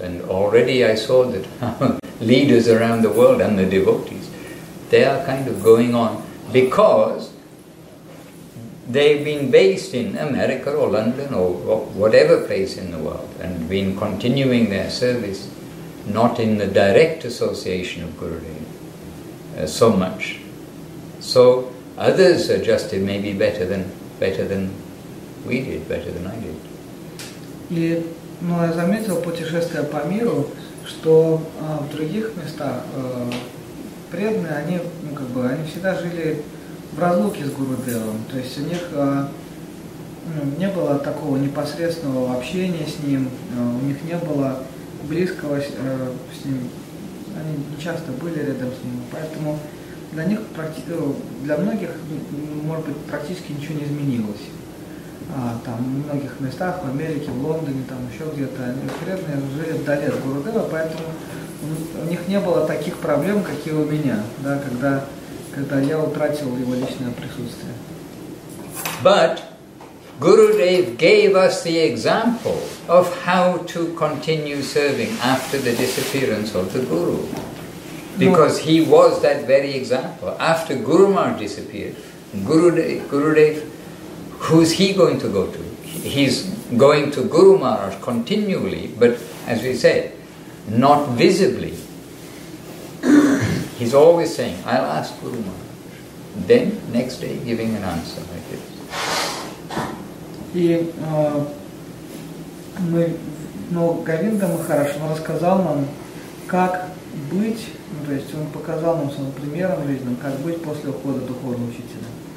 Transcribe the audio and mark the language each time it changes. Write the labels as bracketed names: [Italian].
[English] And already I saw that leaders around the world and the devotees, they are kind of going on because they've been based in America or London or whatever place in the world and been continuing their service, not in the direct association of Gurudev so much. So others adjusted maybe better than we did, better than I did. [Russian] И, ну, я заметил, путешествуя по миру, что в других местах преданные, они, ну, как бы, они всегда жили в разлуке с Гурудевом. То есть у них не было такого непосредственного общения с ним, у них не было близкого с ним, они не часто были рядом с ним, поэтому для них, для многих, может быть, практически ничего не изменилось. Там, в многих местах, в Америке, в Лондоне, там еще где-то, они преданные жили вдали от Гурудева, поэтому у них не было таких проблем, какие у меня, да, когда я утратил его личное присутствие. [English] But Gurudev gave us the example of how to continue serving after the disappearance of the Guru. Because he was that very example. After Guru Maharaj disappeared, Gurudev, who's he going to go to? He's going to Guru Maharaj continually, but as we said, not visibly. He's always saying, I'll ask Guru Maharaj. Then, next day, giving an answer like this. [Russian] And Говинда Махарадж рассказал нам, как быть. Ну, то есть он показал нам своим примером жизненным, как быть после ухода духовного учителя.